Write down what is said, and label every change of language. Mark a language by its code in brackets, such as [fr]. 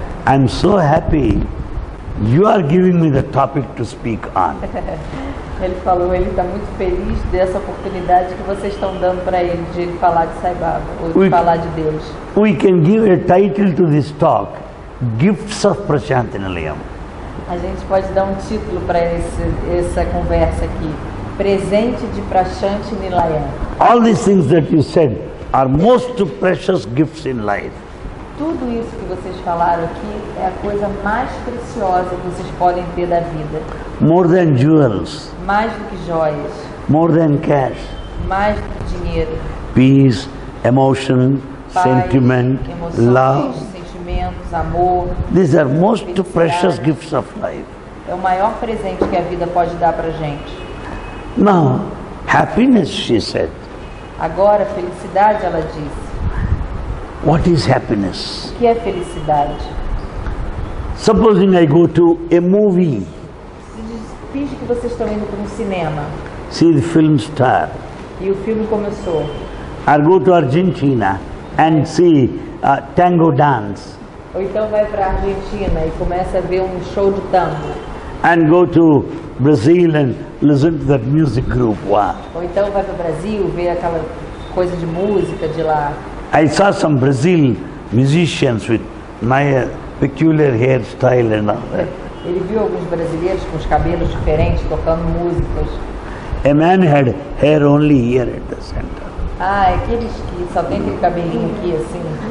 [en] I'm so happy you are giving me the topic to speak on. [pt] Ele falou, ele está muito feliz dessa oportunidade que vocês estão dando para ele de falar de Sai Baba, ou de falar de Deus. [en] We can give a title to this talk, Gifts of Prashantinilayam. [pt] A gente pode dar um título para essa conversa aqui, Presente de Prashantinilayam. [en] All these things that you said are most precious gifts in life. [pt] Tudo isso que vocês falaram aqui é a coisa mais preciosa que vocês podem ter da vida. [en] More than jewels. [pt] Mais do que joias. [en] More than cash. [pt] Mais do que dinheiro. [en] Peace, emotion, [pt] paz, [en] sentiment, [pt] emoções, [en] love. [pt] Sentimentos, amor. [en] These are most precious gifts of life. [pt] É o maior presente que a vida pode dar para gente. [en] Now, happiness, she said. [pt] Agora, felicidade, ela disse. [en] What is happiness? [pt] O que é felicidade? [en] Supposing I go to a movie. [pt] Finge que vocês estão indo para um cinema. [en] See the film star. [pt] E o filme começou. [en] Or go to Argentina and see a tango dance. [pt] Ou então vai para a Argentina e começa a ver um show de tango. [en] And go to Brazil and listen to that music group. Wow. [pt] Ou então vai para o Brasil ver aquela coisa de música de lá. [en] I saw some Brazil musicians with my peculiar hairstyle and all that. [pt] Ele viu alguns brasileiros com os cabelos diferentes tocando músicas. [en] A man had hair only here at the center. [pt] Ah, aqueles que só tem aquele cabelinho aqui assim.